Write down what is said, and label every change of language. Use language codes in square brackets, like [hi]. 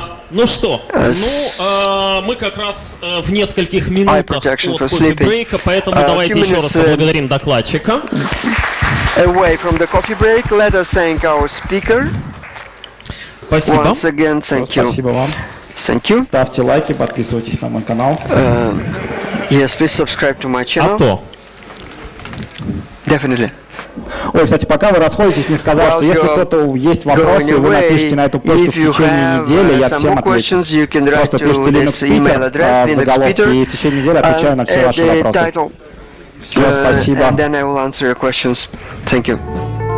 [ru] Мы как раз в нескольких минутах от кофе-брейка, поэтому давайте еще раз поблагодарим докладчика. [en] Away from the coffee break, let us thank our speaker. [ru] Спасибо. [en] Once again, thank you. [ru] Спасибо вам. [en] Thank you. [ru] Ставьте лайки, подписывайтесь на мой канал. [en] Yes, please subscribe to my channel. [ru] А то. [en] Definitely. [ru] Ой, кстати, пока вы расходитесь, мне сказал, что если кто-то есть вопросы, вы напишите на эту почту в течение недели, я всем отвечу. Просто пишите Linux Peter в заголовке, и в течение недели отвечаю на все ваши вопросы. Все, спасибо. [en] And then I will answer your questions. Thank you.